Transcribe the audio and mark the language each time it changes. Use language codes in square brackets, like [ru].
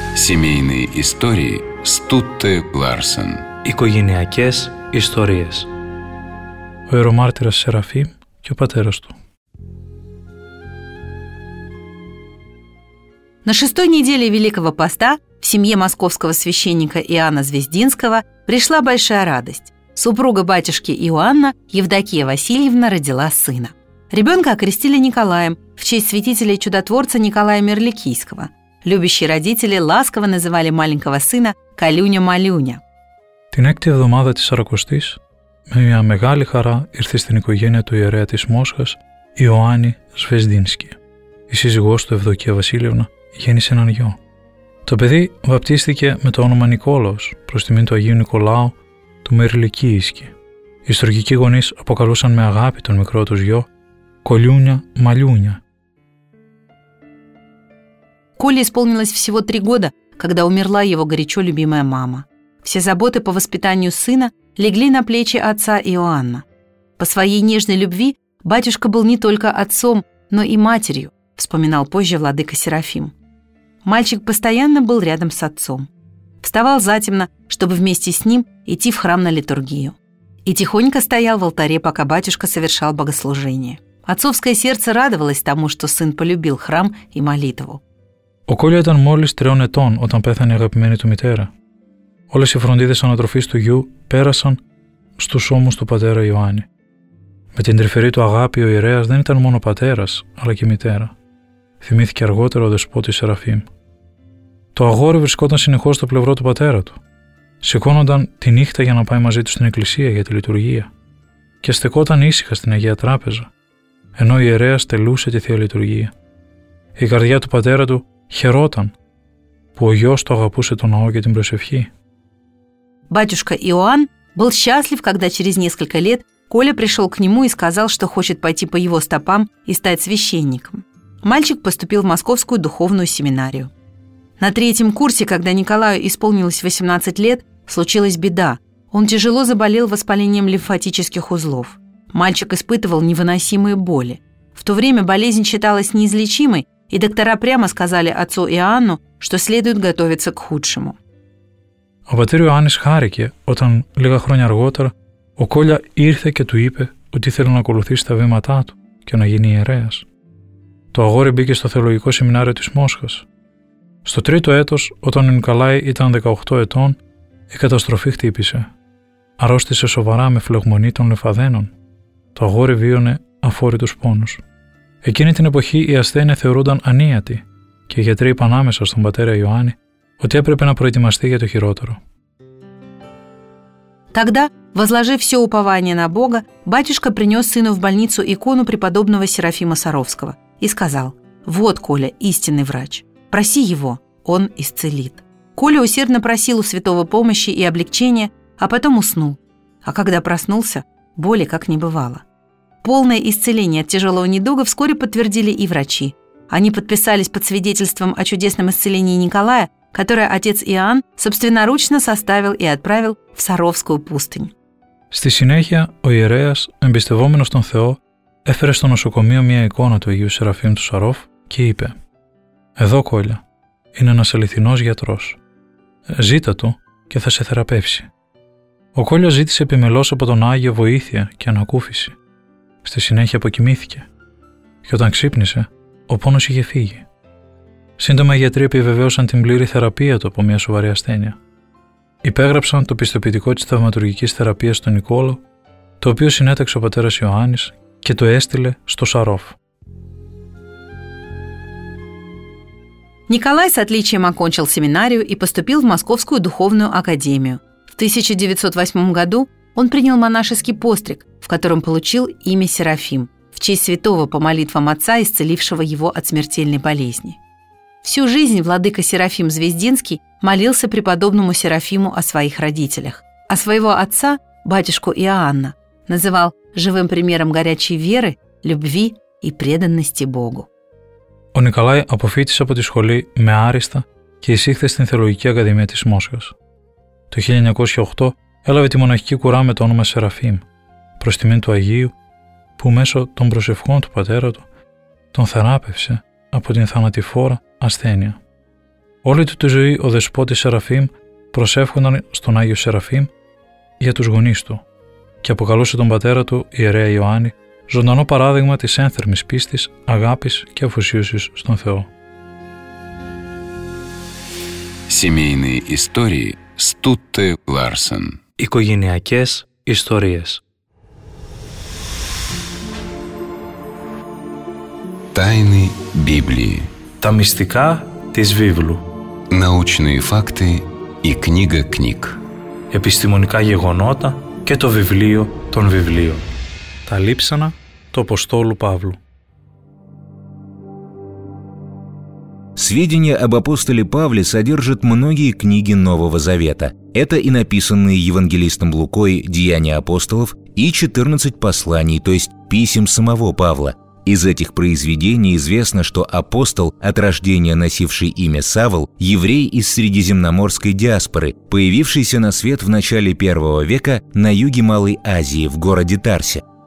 [ru] Семейные истории Стутте Ларсен. [el] Οικογενειακές ιστορίες. Ο ιερομάρτυρας Σεραφείμ και ο πατέρας του. [ru] На шестой неделе Великого Поста в семье московского священника Иоанна Звездинского пришла большая радость. Супруга батюшки Иоанна, Евдокия Васильевна, родила сына. Ребенка окрестили Николаем в честь святителя и чудотворца Николая Мерликийского. Любящие родители ласково называли маленького сына Калюня-Малюня. [el] Την 6-й εβδομάδα της Сорокустής, με μια μεγάλη χαρά ήρθε στην οικογένεια του ιερέα της Μόσχας, Ιωάννη Σβεζδίνσκη. Η σύζυγός του, Ευδοκία Βασίλειωνα, γέννησε έναν γιο. Το παιδί βαπτίστηκε με το όνομα Νικόλαος, προς τιμήν του Αγίου Νικολάου του Μεριλικίησκη. Οι στουργικοί γονείς αποκαλούσαν με αγάπη τον μικρό τους γιο Κολιούνια Μαλιούνια. [ru] Коле исполнилось всего 3 года, когда умерла его горячо любимая мама. Все заботы по воспитанию сына легли на плечи отца Иоанна. По своей нежной любви батюшка был не только отцом, но и матерью, вспоминал позже владыка Серафим. Мальчик постоянно был рядом с отцом. Вставал затемно, чтобы вместе с ним идти в храм на литургию. И тихонько стоял в алтаре, пока батюшка совершал богослужение. Отцовское сердце радовалось тому, что сын полюбил храм и молитву. [el] Ο Κόλλη ήταν μόλις 3 ετών όταν πέθανε η αγαπημένη του μητέρα. Όλες οι φροντίδες ανατροφής του γιου πέρασαν στους ώμους του πατέρα Ιωάννη. Με την τρυφερή του αγάπη ο ιερέας δεν ήταν μόνο πατέρας, αλλά και μητέρα. Θυμήθηκε αργότερα ο δεσπότης Σεραφείμ. Το αγόρι βρισκόταν συνεχώς στο πλευρό του πατέρα του. Σηκώνονταν τη νύχτα για να πάει μαζί του στην εκκλησία για τη λειτουργία. Και στεκόταν ήσυχα στην Αγία Τράπεζα, ενώ ο ιερέας τελούσε τη θεία λειτουργία. Η καρδιά του πατέρα του χαιρόταν που ο γιος το αγαπούσε τον ναό και την προσευχή. [ru] Батюшка Иоанн был счастлив, когда через несколько лет Коля пришел к нему и сказал, что хочет пойти по его стопам и стать священником. Мальчик поступил в Московскую духовную семинарию. На третьем курсе, когда Николаю исполнилось 18 лет, случилась беда. Он тяжело заболел воспалением лимфатических узлов. Мальчик испытывал невыносимые боли. В то время болезнь считалась неизлечимой, и доктора прямо сказали отцу Иоанну, что следует готовиться к худшему. [el] Ο πατήρ Ιωάννης χάρηκε όταν λίγα χρόνια αργότερα ο Κόλλια ήρθε και του είπε ότι ήθελε να ακολουθήσει τα βήματά του και να γίνει ιερέας. Το αγόρι μπήκε στο θεολογικό σεμινάριο της Μόσχας. Στο τρίτο έτος, όταν ο Νικολάη ήταν 18 ετών, η καταστροφή χτύπησε. Αρρώστησε σοβαρά με φλεγμονή των λεφαδένων. Το αγόρι βίωνε αφόρητους πόνους. Εκείνη την εποχή η ασθένεια θεωρούνταν ανίατη και οι γιατροί είπαν άμεσα στον πατέρα Ιωάννη ότι έπρεπε να προετοιμαστεί για το χειρότερο. [ru] Тогда, возложив все упование на Бога, батюшка принес сыну в больницу икону преподобного Серафима Саровского и сказал: «Вот, Коля, истинный врач. Проси его, он исцелит». Коля усердно просил у святого помощи и облегчения, а потом уснул. А когда проснулся, боли как не бывало. Полное исцеление от тяжелого недуга вскоре подтвердили и врачи. Они подписались под свидетельством о чудесном исцелении Николая, которое отец Иоанн собственноручно составил и отправил в Саровскую пустынь. [el] Στη συνέχεια, ο ιερέας, εμπιστευόμενος στον Θεό, έφερε στο νοσοκομείο μια εικόνα του Αγίου Σεραφείμ του Σαρόφ και είπε: «Εδώ, Κόλλια, είναι ένας αληθινός γιατρός. Ζήτα του και θα σε θεραπεύσει». Ο Κόλλια ζήτησε επιμελώς από τον Άγιο βοήθεια και ανακούφιση. Στη συνέχεια αποκοιμήθηκε. Και όταν ξύπνησε, ο πόνος είχε φύγει. Σύντομα, οι γιατροί επιβεβαίωσαν την πλήρη θεραπεία του από μια σοβαρή ασθένεια. Υπέγραψαν το πιστοποιητικό της θαυματουργικής θεραπείας στον Νικόλο, το οποίο συνέταξε ο πατέρας Ιωάννης και το έστειλε στο Σαρόφ. [ru] Николай с отличием окончил семинарию и поступил в Московскую духовную академию. В 1908 году он принял монашеский постриг, в котором получил имя Серафим, в честь святого по молитвам отца, исцелившего его от смертельной болезни. Всю жизнь владыка Серафим Звездинский молился преподобному Серафиму о своих родителях, а своего отца, батюшку Иоанна, называл живым примером горячей веры, любви и преданности Богу. [el] Ο Νικολάη αποφύτησε από τη σχολή με άριστα και εισήχθη στην Θεολογική Ακαδημία της Μόσχας. Το 1908 έλαβε τη μοναχική κουρά με το όνομα Σεραφείμ, προς τιμή του Αγίου, που μέσω των προσευχών του πατέρα του τον θεράπευσε από την θανατηφόρα ασθένεια. Όλη του τη ζωή ο δεσπότης Σεραφείμ προσεύχονταν στον Άγιο Σεραφείμ για τους γονείς του και αποκαλούσε τον πατέρα του, ιερέα Ιωάννη, ζωντανό παράδειγμα της ένθερμης πίστης, αγάπης και αφοσίωσης στον Θεό. [ru] Семейные истории Стутте Ларсен. [el] Οικογενειακές ιστορίες. [ru] Тайны Библии. [el] Τα μυστικά της Βίβλου. [ru] Научные факты и книга книг. [el] Επιστημονικά γεγονότα και το βιβλίο των βιβλίων. Τα λείψανα του Αποστόλου Παύλου. [ru] Сведения об апостоле Павле содержат многие книги Нового Завета. Это и написанные евангелистом Лукой «Деяния апостолов» и 14 посланий, то есть писем самого Павла. Из этих произведений известно, что апостол, от рождения носивший имя Савл, еврей из средиземноморской диаспоры, появившийся на свет в начале первого века на юге Малой Азии, в городе Тарсе.